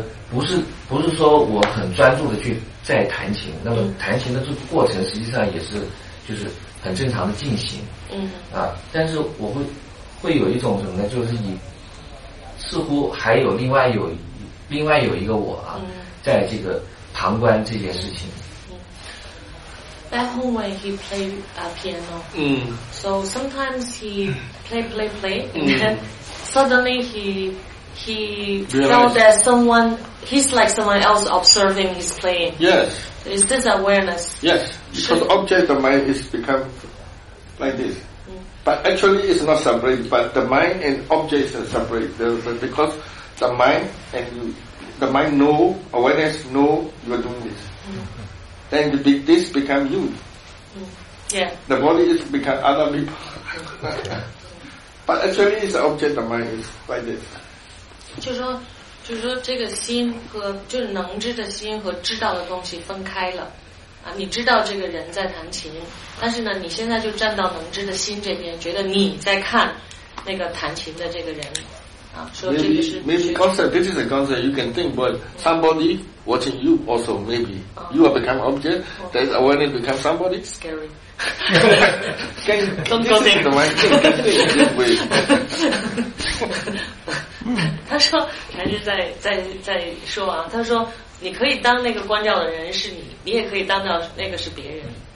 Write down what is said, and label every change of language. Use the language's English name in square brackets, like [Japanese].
[Chinese] 不是说我很专注的去在弹琴，那么弹琴的这个过程实际上也是就是很正常的进行，但是我会有一种什么呢？就是你似乎还有另外有一个我啊，在这个旁观这件事情。 [English] Back home when he played piano, so sometimes he play, and then suddenly he felt that someone, he's like someone else observing his playing. Yes. Is this awareness? Yes, because object of mind is become like this. But actually it's not separate, but the mind and objects are separate. Because the mind and you, the mind know, awareness know you are doing this. Then this become you. The body is become other people. But actually it's object of mind is like this. [Chinese] 就是说这个心和就是能知的心和知道的东西分开了啊，你知道这个人在弹琴，但是呢你现在就站到能知的心这边，觉得你在看那个弹琴的这个人啊，说这个是 [English] maybe concept, this is a concept you can think, but somebody watching you also maybe you are become object, that is awareness become somebody. Scary. Don't go think the mind can think this way. [Chinese] 他说还是在说啊，他说你可以当那个关掉的人是你，你也可以当掉那个是别人。